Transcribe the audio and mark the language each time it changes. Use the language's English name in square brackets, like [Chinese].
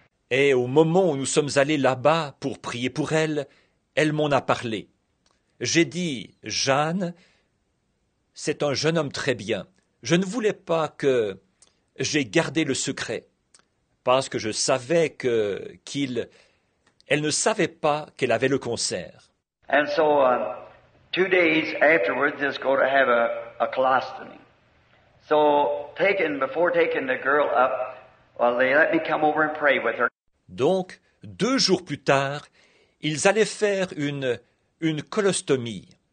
[French] Et au moment où nous sommes allés là-bas pour prier pour elle, elle m'en a parlé. J'ai dit, Jeanne, c'est un jeune homme très bien. Je ne voulais pas que j'aie gardé le secret, parce que je savais qu'elle ne savait pas qu'elle avait le cancer. [English] And so, 2 days afterwards, they're going to have a colostomy. So, before taking the girl up, well, they let me come over and pray with her. [French] Donc, 2 jours plus tard, ils allaient faire une colostomie.